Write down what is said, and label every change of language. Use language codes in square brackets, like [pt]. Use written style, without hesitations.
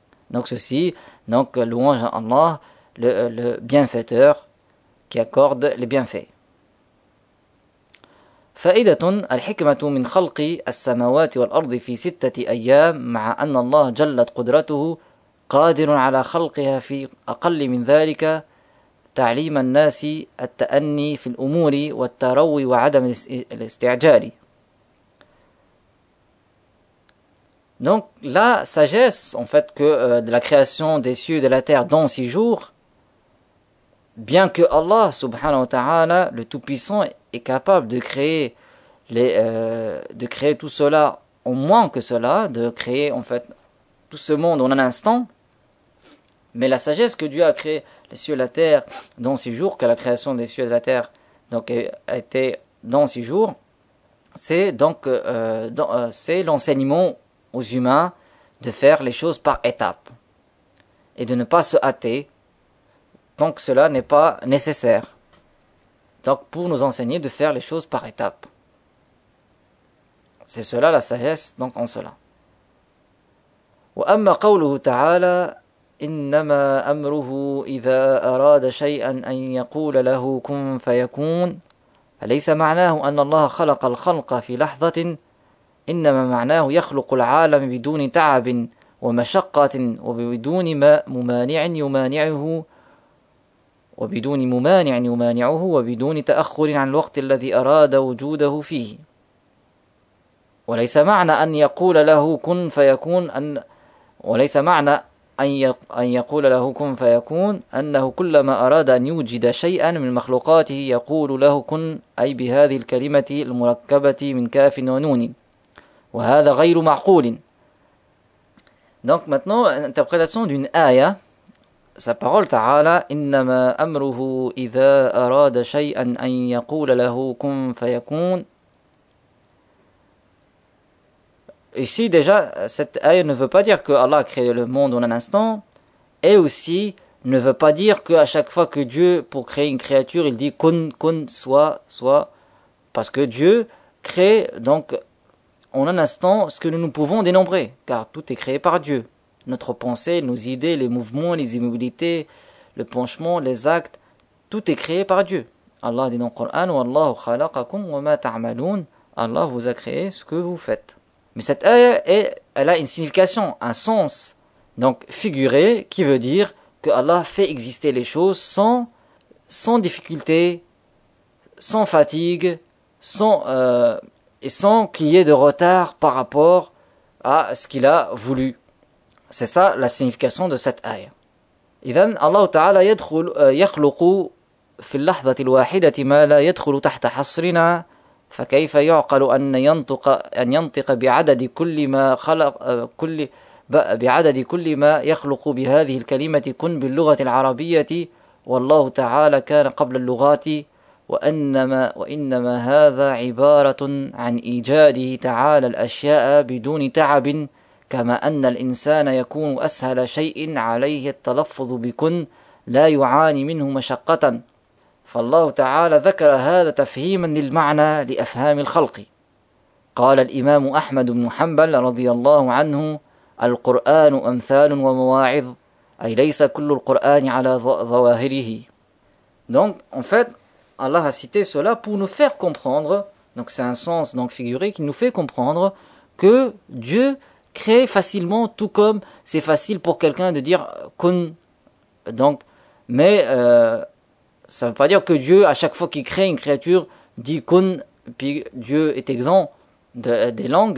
[fr] Donc ceci, donc louange à Allah, le bienfaiteur qui accorde les bienfaits. [ar] فائدة الحكمة من خلق السماوات والأرض في ستة أيام مع أن الله جلت قدرته قادر على خلقها في أقل من ذلك. تعليم الناس التأني في الأمور والتروي وعدم الاستعجال. [fr] Donc la sagesse en fait que de la création des cieux et de la terre dans six jours, bien que Allah subhanahu wa ta'ala le Tout-Puissant est capable de créer tout cela en moins que cela, de créer en fait tout ce monde en un instant, mais la sagesse que Dieu a créée les cieux et la terre dans six jours, que la création des cieux et de la terre donc a été dans six jours, c'est donc c'est l'enseignement aux humains de faire les choses par étapes et de ne pas se hâter tant que cela n'est pas nécessaire. Donc pour nous enseigner de faire les choses par étapes, c'est cela la sagesse donc en cela. وأما قوله تعالى إنما أمره إذا أراد شيئا أن يقول له كن فيكون، فليس معناه أن الله خلق الخلق في لحظة، إنما معناه يخلق العالم بدون تعب ومشقة وبدون ممانع يمانعه وبدون ممانع يمانعه وبدون تأخر عن الوقت الذي أراد وجوده فيه. وليس معنى أن يقول له كن فيكون أن وليس معنى أن يقول له كن فيكون أنه كلما أراد أن يوجد شيئا من مخلوقاته يقول له كن، أي بهذه الكلمة المركبة من كاف ونون، وهذا غير معقول. Donc maintenant, interprétation d'une aya. Sa parole [ar] ta'ala, إنما أمره إذا أراد شيئا أن يقول له كن فيكون. [fr] Ici déjà, cette ayah ne veut pas dire que Allah a créé le monde en un instant, et aussi ne veut pas dire qu'à chaque fois que Dieu, pour créer une créature, il dit kun, kun, soit, parce que Dieu crée donc en un instant ce que nous ne pouvons dénombrer, car tout est créé par Dieu. Notre pensée, nos idées, les mouvements, les immobilités, le penchement, les actes, tout est créé par Dieu. Allah dit dans le Coran, [ar] Wallahu khalaqakum wa ma ta'amaloun, [fr] Allah vous a créé ce que vous faites. Mais cette ayah, elle a une signification, un sens, donc figuré, qui veut dire que Allah fait exister les choses sans difficulté, sans fatigue, sans qu'il y ait de retard par rapport à ce qu'il a voulu. C'est ça la signification de cette ayah. [ar] إذن الله تعالى يخلق في اللحظة الواحدة ما لا يدخل تحت حصرنا فكيف يعقل أن ينطق بعدد كل ما خلق كل بعدد كل ما يخلق بهذه الكلمة كن باللغة العربية والله تعالى كان قبل اللغات وإنما هذا عبارة عن إيجاده تعالى الأشياء بدون تعب كما أن الإنسان يكون أسهل شيء عليه التلفظ بكن لا يعاني منه مشقة فالله تعالى ذكر هذا تفهيما للمعنى لأفهام الخلق. قال الإمام أحمد بن حنبل رضي الله عنه القرآن أمثال ومواعظ أي ليس كل القرآن على ظواهره. [fr] Donc en fait Allah a cité cela pour nous faire comprendre, donc c'est un sens donc figuré qui nous fait comprendre que Dieu crée facilement, tout comme c'est facile pour quelqu'un de dire kun. Donc ça ne veut pas dire que Dieu, à chaque fois qu'il crée une créature, dit « kun », puis Dieu est exempt des langues.